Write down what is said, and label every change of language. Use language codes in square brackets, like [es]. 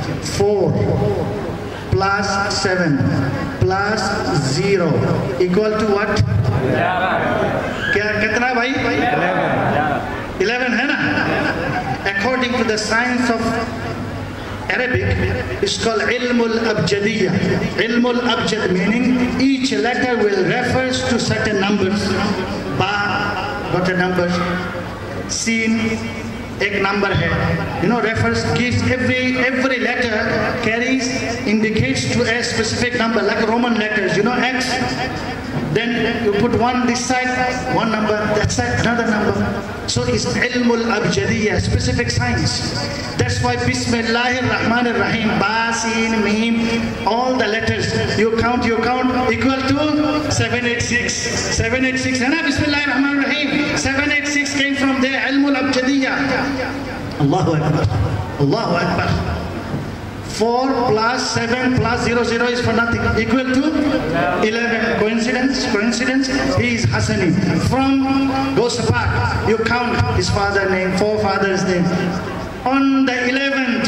[en] 4 plus 7 plus 0 equal to what? [ur] کیا کتنا بھائی؟ 11 ہے نا. [en] According to the science of Arabic is called علم الابجدیہ. علم الابجد meaning each letter will refers to certain numbers. با got a number, [ur] سین ایک نمبر ہے, [en] you know, refers gives every letter carries indicates to a specific number, like Roman letters, you know, X, then you put one this side, one number that side, another number. So it's علم الابجدیہ, specific science. That's why بسم اللہ الرحمن الرحیم, با سین میم, all the letters you count equal to 786. [ur] 786 ہے نا, بسم اللہ الرحمن الرحیم. [en] 786 came from there, علم الابجدیہ. [ar] اللہ اکبر, اللہ اکبر. [en] 4 plus 7 plus 0 is for nothing. Equal to 11. Coincidence? He is Hassani. From Ghost Park, you count his father's name, forefather's name. On the 11th,